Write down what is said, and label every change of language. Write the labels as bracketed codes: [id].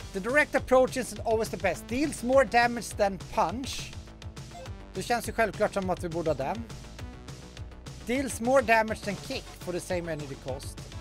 [en] The direct approach is always the best. Deals more damage than punch. [sv] Det känns ju självklart som att vi borde ha den. [en] Deals more damage than kick for the same energy cost.